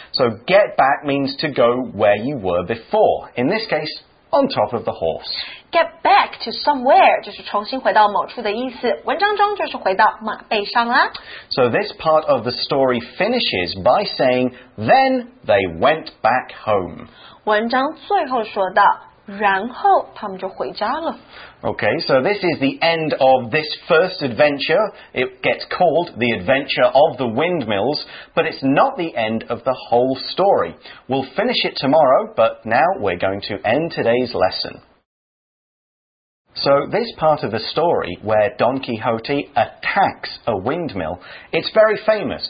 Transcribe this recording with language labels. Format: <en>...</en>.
<en>So get back means to go where you were before. In this case, on top of the horse. Get back to somewhere</en> <zh>就是重新回到某处的意思。文章中就是回到马背上啦。</zh> <en>So this part of the story finishes by saying, then they went back home.</en> <zh>文章最后说到然后他们就回家了。</zh> <en>Okay, so this is the end of this first adventure. It gets called The Adventure of the Windmills, but it's not the end of the whole story. We'll finish it tomorrow, but now we're going to end today's lesson. So this part of the story where Don Quixote attacks a windmill, it's very famous.</en>